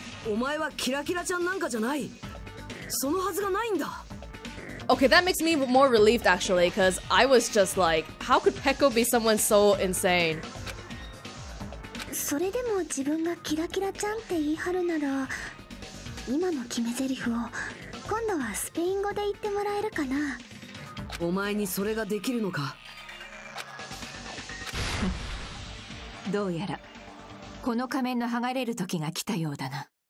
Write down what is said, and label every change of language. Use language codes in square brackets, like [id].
[ja] お前はキラキラちゃんなんかじゃない、そのはずがないんだ。 [en] Okay, that makes me more relieved actually, because I was just like, how could Peko be someone so insane? [ja] それでも自分がキラキラちゃんって言い張るなら、今の決め台詞を今度はスペイン語で言ってもらえるかな。お前にそれができるのか。どうやらこの仮面の剥がれる時が来たようだな。